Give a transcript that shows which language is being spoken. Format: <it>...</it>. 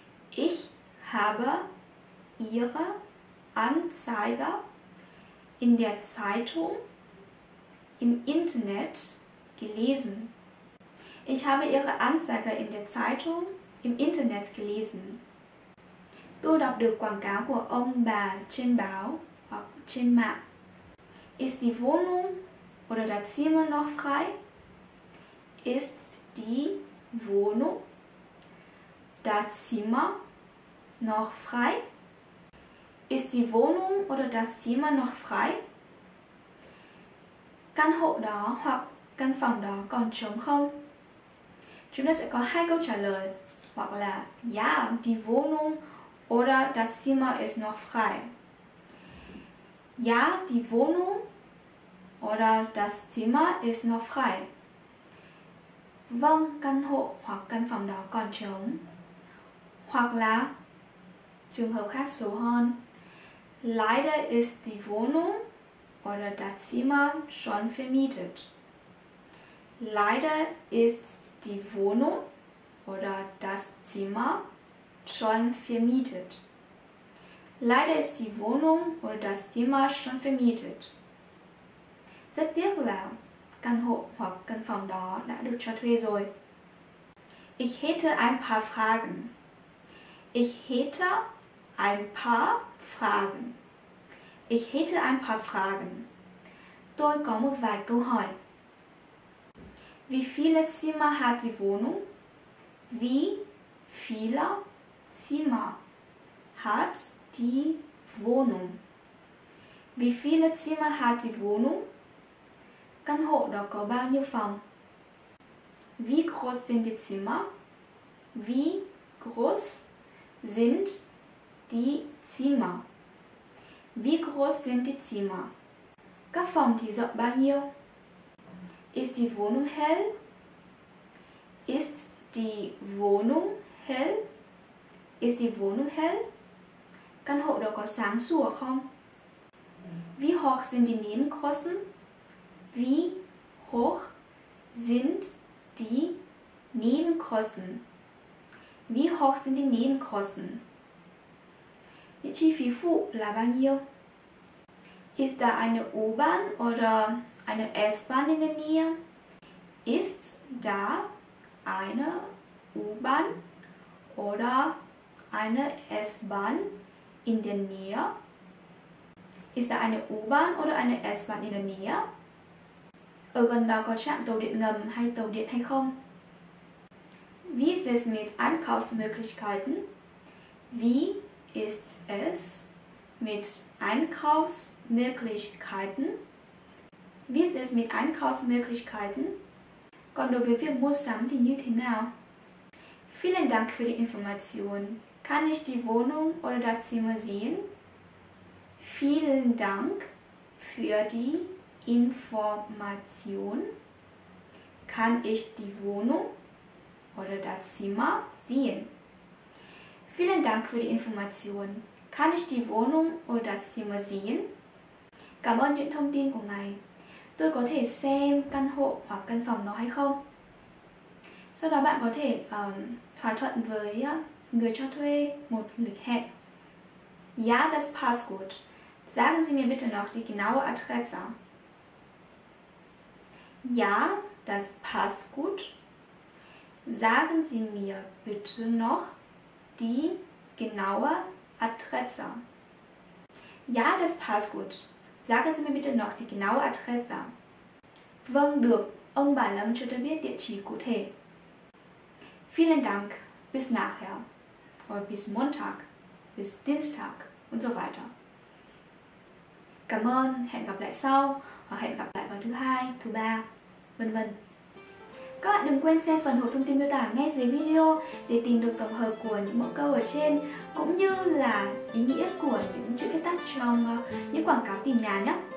<de>Ich habe Ihre Anzeige in der Zeitung im Internet gelesen. Ich habe Ihre Anzeige in der Zeitung im Internet gelesen.</de> <vi>Tôi đọc được quảng cáo của ông bà trên báo hoặc trên mạng.</vi> <de>Ist die Wohnung oder das Zimmer noch frei? Ist die Wohnung, das Zimmer noch frei? Ist die Wohnung oder das Zimmer noch frei?</de> <vi>Căn hộ đó hoặc căn phòng đó còn trống không? Chúng ta sẽ có hai câu trả lời, hoặc là</vi> <de>ja, die Wohnung oder das Zimmer ist noch frei. Ja, die Wohnung oder das Zimmer ist noch frei.</de> <vi>Vâng, căn hộ hoặc căn phòng đó còn trống. Hoặc là trường hợp khác số hơn.</vi> <de>Leider ist die Wohnung oder das Zimmer schon vermietet. Leider ist die Wohnung oder das Zimmer schon vermietet. Leider ist die Wohnung oder das Zimmer schon vermietet.</de> <vi>Rất tiếc là căn hộ hoặc căn phòng đó đã được cho thuê rồi.</vi> <de>Ich hätte ein paar Fragen. Ich hätte ein paar Fragen. Ich hätte ein paar Fragen.</de> <vi>Tôi có một vài câu hỏi.</vi> <de>Wie viele Zimmer hat die Wohnung? Wie viele Zimmer hat die Wohnung? Wie viele Zimmer hat die Wohnung?</de> <vi>Căn hộ đó có bao nhiêu phòng?</vi> <de>Wie groß sind die Zimmer? Wie groß sind die Zimmer? Wie groß sind die Zimmer?</de> <vi>Các phòng thì rộng bao nhiêu?</vi> <de>Ist die Wohnung hell? Ist die Wohnung hell? Ist die Wohnung hell?</de> <vi>Căn hộ đó có sáng sủa không?</vi> <de>Wie hoch sind die Nebenkosten? Wie hoch sind die Nebenkosten? Wie hoch sind die Nebenkosten?</de> <vi>Die chi phí phụ là bao nhiêu?</vi> <de>Ist da eine U-Bahn oder eine S-Bahn in der Nähe? Ist da eine U-Bahn oder eine S-Bahn in der Nähe? Ist da eine U-Bahn oder eine S-Bahn in der Nähe?</de> <vi>Ở gần đó có trạm tàu điện ngầm hay tàu điện hay không?</vi> <de>Wie ist es mit Einkaufsmöglichkeiten? Wie ist es mit Einkaufsmöglichkeiten? Wie ist es mit Einkaufsmöglichkeiten?</de> <vi>Còn đối với việc mua sắm thì như thế nào?</vi> <de>Vielen Dank für die Information. Kann ich die Wohnung oder das Zimmer sehen? Vielen Dank für die Information. Kann ich die Wohnung oder das Zimmer sehen? Vielen Dank für die Information. Kann ich die Wohnung oder das Zimmer sehen?</de> <vi>Cảm ơn những thông tin của ngài. Tôi có thể xem căn hộ hoặc căn phòng đó hay không? Sau đó bạn có thể thỏa thuận với người cho thuê một lịch hẹn.</vi> <de>Ja, das passt gut. Sagen Sie mir bitte noch die genaue Adresse. Ja, das passt gut. Sagen Sie mir bitte noch die genaue Adresse. Ja, das passt gut. Sagen Sie mir bitte noch die genaue Adresse.</de> <vi>Vâng, được. Ông bà Lâm cho tôi biết địa chỉ cụ thể.</vi> <de>Vielen Dank. Bis nachher. Oder bis Montag. Bis Dienstag. Und so weiter.</de> <vi>Cảm ơn. Hẹn gặp lại sau. Hoặc hẹn gặp lại vào thứ hai, thứ ba. Vân vân. Các bạn đừng quên xem phần hộp thông tin miêu tả ngay dưới video để tìm được tổng hợp của những mẫu câu ở trên cũng như là ý nghĩa của những chữ viết tắt trong những quảng cáo tìm nhà nhé.</vi>